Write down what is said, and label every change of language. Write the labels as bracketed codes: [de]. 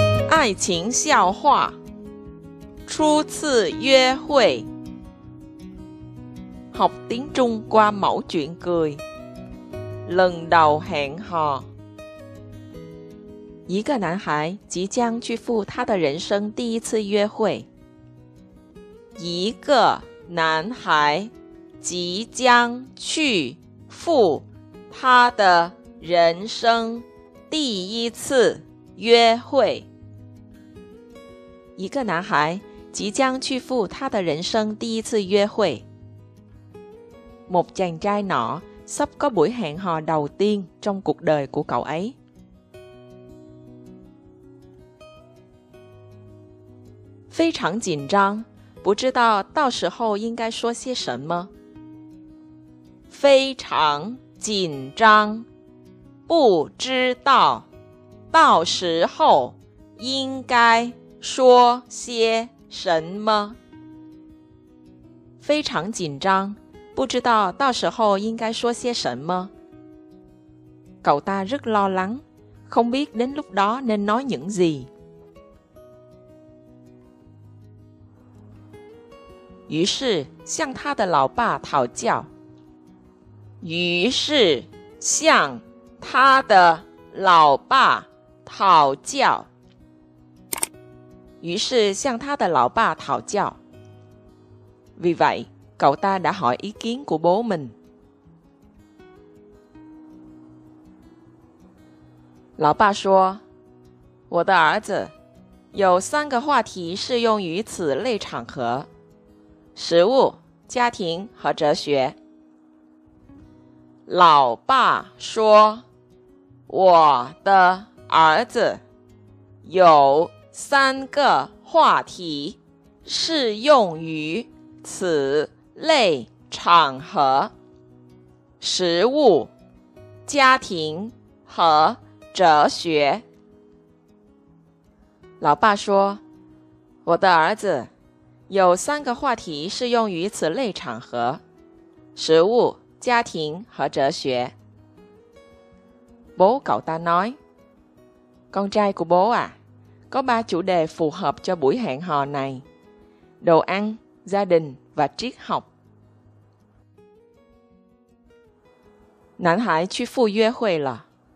[vi] Ai tình xiao hoa, chú tư yue hui. Học tiếng Trung qua mẫu chuyện cười. Lần đầu hẹn hò. [zh] 一个男孩即将去赴他的人生第一次约会。一个男孩即将去赴他的人生第一次约会。一个男孩即将去赴他的人生第一次约会。 [vi] Một chàng trai nọ sắp có buổi hẹn hò đầu tiên trong cuộc đời của cậu ấy. [zh] 非常紧张，不知道到时候应该说些什么。非常紧张，不知道到时候应该说些什么。非常紧张，不知道到时候应该说些什么。 [vi] Cậu ta rất lo lắng, không biết đến lúc đó nên nói những gì. [zh] 于是向他的老爸讨教。于是向他的老爸讨教。于是向他的老爸讨教。 [vi] Vì vậy, cậu ta đã hỏi ý kiến của bố mình. [zh] 老爸说，我的儿子，有三个话题适用于此类场合。食物、家庭和哲学。老爸说，我的儿子有三个话题适用于此类场合。食物、家庭和哲学。老爸说，我的儿子有三个话题适用于此类场合，食物、家庭和哲学。 [vi] Bố cậu ta nói, con trai của bố à, có ba chủ đề phù hợp cho buổi hẹn hò này, đồ ăn, gia đình và triết học. [zh] 男孩去赴约会了。